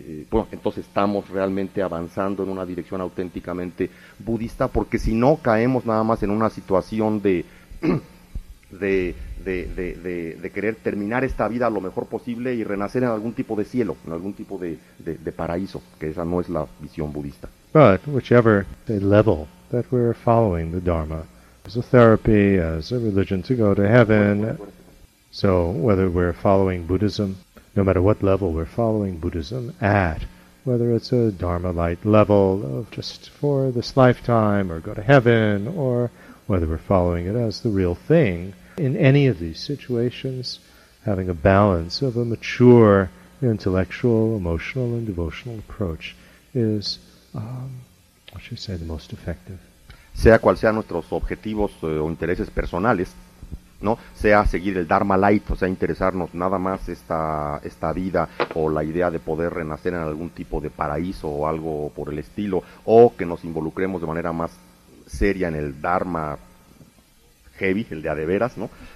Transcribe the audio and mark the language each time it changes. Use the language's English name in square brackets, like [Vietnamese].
[Spanish] Bueno, entonces estamos realmente avanzando en una dirección auténticamente budista, porque si no caemos nada más en una situación de querer terminar esta vida lo mejor posible y renacer en algún tipo de cielo, en algún tipo de paraíso, que esa no es la visión budista. [English] But whichever the level that we're following the Dharma, as a therapy, as a religion to go to heaven, so whether we're following Buddhism, no matter what level we're following Buddhism at, whether it's a Dharma light level of just for this lifetime or go to heaven, or whether we're following it as the real thing, in any of these situations, having a balance of a mature intellectual, emotional, and devotional approach is, what should I say, the most effective. [Spanish] Sea cual sea nuestros objetivos o intereses personales, ¿no? Sea seguir el Dharma Light, o sea, interesarnos nada más esta vida o la idea de poder renacer en algún tipo de paraíso o algo por el estilo, o que nos involucremos de manera más seria en el Dharma heavy, el de a de veras, ¿no?